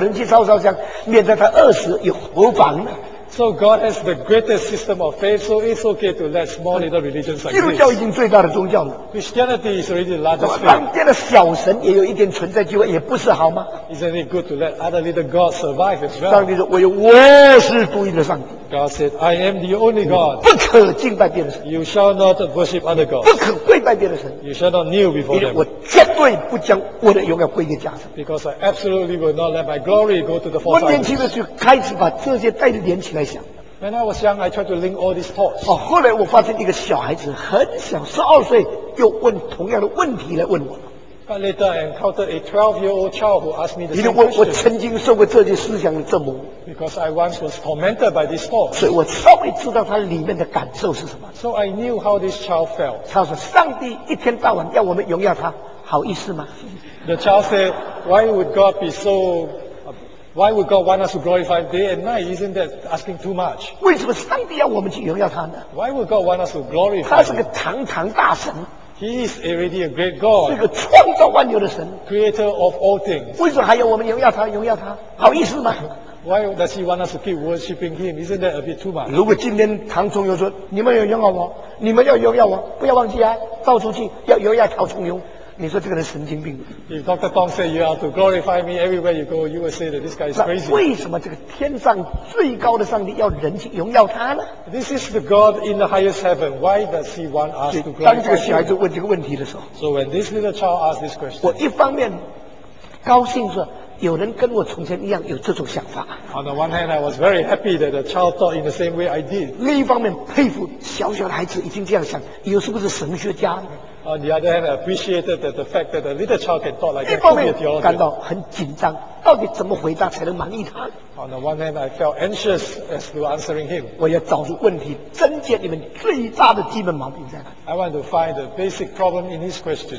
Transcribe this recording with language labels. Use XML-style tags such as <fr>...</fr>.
<zh>得罪了最多的信徒，让别的宗教存在一下，别的神也有人去烧烧香，免得他饿死，有何妨呢？</zh> <en>So God has the greatest system of faith, so it's okay to let small little religions like this.</en> <zh>基督教已经最大的宗教了。</zh> <en>Christianity is already the largest faith.</en> <zh>让别的小神也有一点存在机会，也不是好吗？</zh> <en>Isn't it good to let other little gods survive as well?</en> <zh>上帝说，我是独一的上帝。</zh> <en>God said, I am the only God.</en> <zh>不可敬拜别的神。</zh> <en>You shall not worship other gods.</en> <zh>不可跪拜别的神。</zh> <en>You shall not kneel before them.</en> <zh>我绝对不将我的荣耀归给假神。</zh> <en>Because I absolutely will not let my glory go to the false idols.</en> <zh>我年轻的时候开始把这些带着年轻。</zh> <en>When I was young, I tried to link all these thoughts.</en> <zh>哦，后来我发现一个小孩子很小，12岁，又问同样的问题来问我。</zh> <en>But later I encountered a 12-year-old child who asked me the same</en> <zh>question. 因为我曾经受过这些思想的折磨。</zh> <en>Because I once was tormented by this thought.</en> <zh>所以我稍微知道他里面的感受是什么。</zh> <en>So I knew how this child felt.</en> <zh>他说：“上帝一天到晚要我们荣耀他，好意思吗？”</zh> <en>The child said, "Why would God be so? Why would God want us to glorify day and night? Isn't that asking too much?"</en> <zh>为什么上帝要我们去荣耀他呢</zh> <en>？Why would God want us to glorify?</en> <zh>他是个堂堂大神。</zh> <en>He is already a great God.</en> <zh>是个创造万有的神。</zh> <en>Creator of all things.</en> <zh>为什么还要我们荣耀他？荣耀他？好意思吗</zh> <en>？Why does he want us to keep worshiping him? Isn't that a bit too much?</en> <zh>如果今天唐崇荣说：“你们要荣耀我，你们要荣耀我，不要忘记啊，到处去要荣耀陶崇荣。” 你说这个人神经病。</zh> <en>If Dr. Tong said you are to glorify me everywhere you go, you will say that this guy is crazy.</en> <zh>那为什么这个天上最高的上帝要人去荣耀他呢</zh> <en>？This is the God in the highest heaven. Why does he want us to glorify him?</en> <zh>当这个小孩子问这个问题的时候</zh> <en>，So when this little child asked this question,</en> <zh>我一方面高兴说有人跟我从前一样有这种想法。</zh> <en>On the one hand, I was very happy that the child thought in the same way I did.</en> <zh>另一方面佩服小小的孩子已经这样想，以后是不是神学家呢？</zh> <en>On the other hand, I appreciated that the fact that a little child can talk like that.</en> <zh>一方面感到很紧张，到底怎么回答才能满意他</zh> <en>？On the one hand, I felt anxious as to answering him.</en> <zh>我要找出问题，症结里面最大的基本毛病在哪</zh> <en>？I want to find the basic problem in his question.</en>